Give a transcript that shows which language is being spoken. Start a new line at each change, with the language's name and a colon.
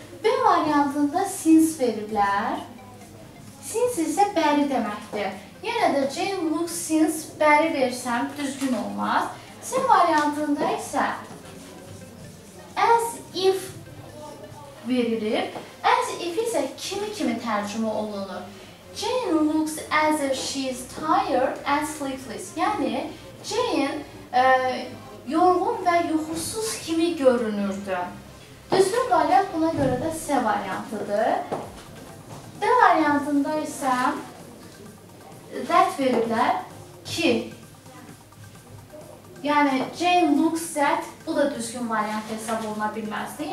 Azerbaijani: B variantında since veriblər. Since isə bəri deməkdir. Yenə də
English: Jane looks since
Azerbaijani: bəri versəm düzgün olmaz. C variantında isə as if verilir. As if isə kimi-kimi tərcümə olunur.
English: Jane looks as if she is tired and sleepless.
Azerbaijani: Yəni, Jane yorğun və yuxusuz kimi görünürdü. Düzgün variant buna görə də C variantıdır. D variantında isə that veriblər ki, yəni
English: Jane looks that,
Azerbaijani: bu da düzgün variant hesab oluna bilməzdir.